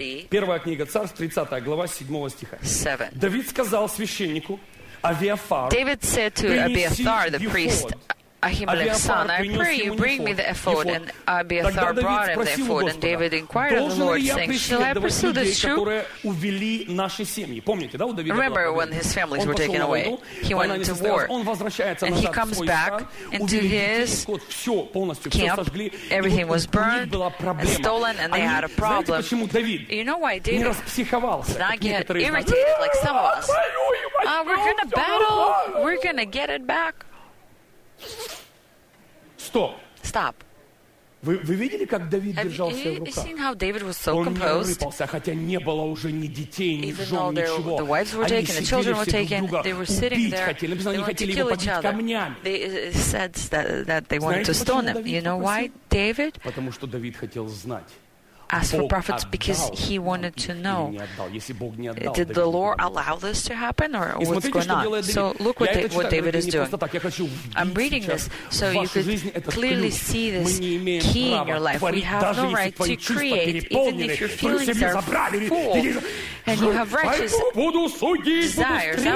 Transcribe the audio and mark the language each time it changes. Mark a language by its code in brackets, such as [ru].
[ru] Первая книга Царств, 30 глава, 7 стиха. Давид сказал священнику Авиафару, [en] Ahimelech's son, I pray you bring me the ephod. And Abiathar brought him the ephod, and David inquired of the Lord, saying, Shall I pursue this troop? Remember when his families were taken away, he went into war, and he comes back into his camp, everything was burned and stolen, and they had a problem. You know why David did not get irritated like some of us? We're going to battle, we're going to get it back. [ru] Стоп. Стоп. Вы видели, как Давид держал себя в руках? Он не рыпался, хотя не было уже ни детей, ни жен, ничего. Они сидели друг друга, убить хотели, они хотели его побить камнями. Знаете, почему Давид попросил? Потому что Давид хотел знать. [en] Asked for prophets because he wanted to know, did the Lord allow this to happen or what's going on? So look what David is doing. I'm reading this so you could clearly see this key in your life. We have no right to create, even if your feelings are full and you have righteous desires.